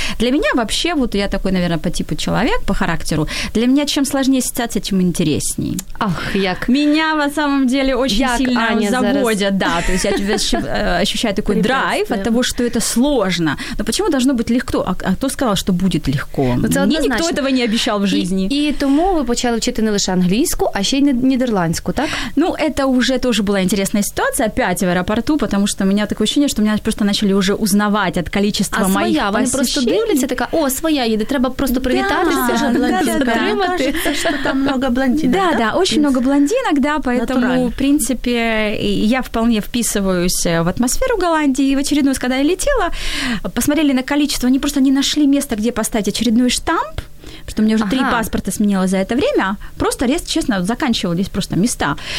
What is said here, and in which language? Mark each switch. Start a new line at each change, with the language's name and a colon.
Russian: Для меня вообще, вот я такой, наверное, по типу человек, по характеру, для меня чем сложнее ситуация, тем интереснее.
Ukrainian: Ах, як...
Russian: меня на самом деле очень сильно заводят, да, то есть я ощущаю такой драйв от того, что это сложно. Но почему должно быть легко? А кто сказал, что будет легко?
Ukrainian: Мне ніхто этого не обіцяв в житті. І тому ви почали вчити не лише англійську, а ще й нідерландську, так? Ну, це вже теж була цікава ситуація, опять в аеропорту, тому що у мене таке відчуття, що мене просто почали вже узнавати від кількості моїх посещень. А своя, вони просто дивляться, така, о, своя їде, треба просто привітатися,
Russian: да,
Ukrainian: вже блондинка, да, отримати. Що там багато блондинок, да, так? Так, дуже багато блондинок, да, поэтому, в принципі, я вполне вписуюся в атмосферу Голландії. І в очередную, коли я летіла, посмотрели на кількість, вони просто не знайшли місце, де поставити очередной штамп.
Russian: Что у меня уже три паспорта сменило за это время. Просто, резко, честно, заканчивались просто места.